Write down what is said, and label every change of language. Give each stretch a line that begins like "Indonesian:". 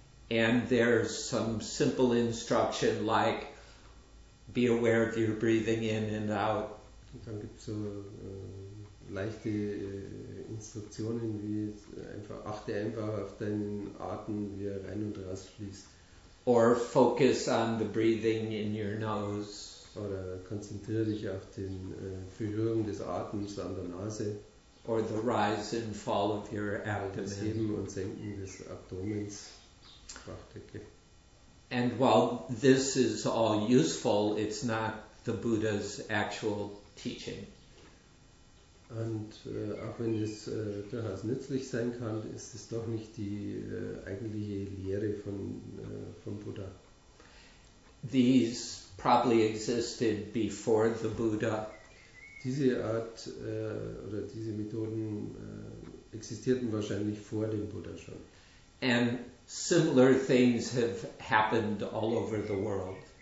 English: And there's some simple instruction like be aware of your breathing in and out.
German: Und dann gibt's so leichte Instruktionen wie einfach achte einfach auf deinen Atem, wie er rein und raus fließt.
English: Or focus on the breathing in your nose.
German: Oder konzentriere dich auf den Führung des Atems an der Nase.
English: Or the rise and fall of your abdomen.
German: Das Heben und Senken des Abdomens.
English: And while this is all useful, it's not the Buddha's actual teaching.
German: Und auch wenn es durchaus nützlich sein kann, ist es doch nicht die eigentliche Lehre von Buddha.
English: These probably existed before the Buddha.
German: Diese Art oder diese Methoden existierten wahrscheinlich vor dem Buddha schon.
English: And similar things have happened all over the world.